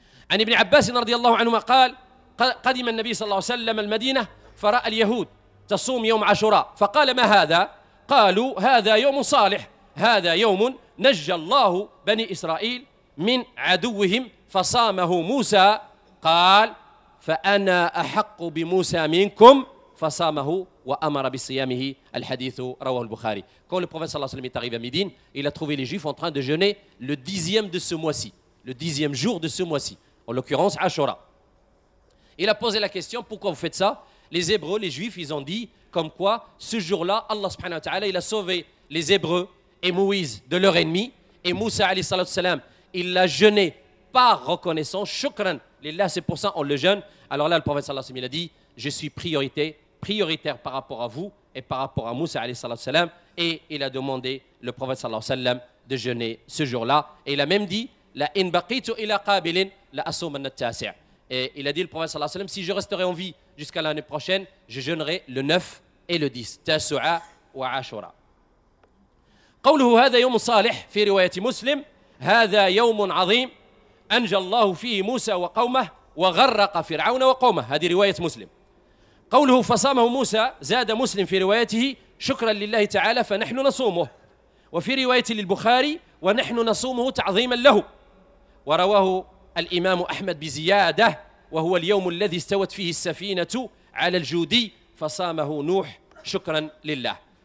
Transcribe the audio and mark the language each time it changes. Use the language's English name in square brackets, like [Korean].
[Arabic] عن ابن عباس رضي الله عنهما قال قدم النبي صلى الله عليه وسلم المدينة فرأى اليهود تصوم يوم عاشوراء فقال ما هذا؟ قالوا هذا يوم صالح, هذا يوم نجى الله بني إسرائيل من عدوهم فصامه موسى قال فأنا أحق بموسى منكم فصامه وأمر بصيامه. الحديث رواه البخاري. [French] Quand le prophète صلى الله عليه وسلم est arrivé à Médine, il a trouvé les juifs en train de jeûner le dixième de ce mois-ci, le dixième jour de ce mois-ci, en l'occurrence Ashura. Il a posé la question, pourquoi vous faites ça? Les Hébreux, les Juifs, ils ont dit comme quoi ce jour-là, Allah subhanahu wa ta'ala, il a sauvé les Hébreux et Moïse de leur ennemi, et Moussa alayhi salatu salam, il l'a jeûné par reconnaissance, shukran, lillah, c'est pour ça on le jeûne. Alors là, le prophète sallallahu alayhi wa sallam, il a dit, je suis prioritaire par rapport à vous et par rapport à Moussa alayhi salatu salam, et il a demandé le prophète sallallahu alayhi wa sallam de jeûner ce jour-là, et il a même dit, [Arabic] la in baqitu ila qabilin, la asuman at-tasi'. [French] Et il a dit le prophète sallallahu alayhi wa sallam, si je resterai en vie jusqu'à l'année prochaine, je jeûnerai le 9 et le 10, tasu'a wa ashura. [Arabic] قوله هذا يوم صالح في رواية مسلم هذا يوم عظيم أنجى الله فيه موسى وقومه وغرق فرعون وقومه. هذه رواية مسلم. قوله فصامه موسى، زاد مسلم في روايته شكرا لله تعالى فنحن نصومه، وفي رواية للبخاري ونحن نصومه تعظيما له، ورواه الإمام أحمد بزيادة وهو اليوم الذي استوت فيه السفينة على الجودي فصامه نوح شكرا لله.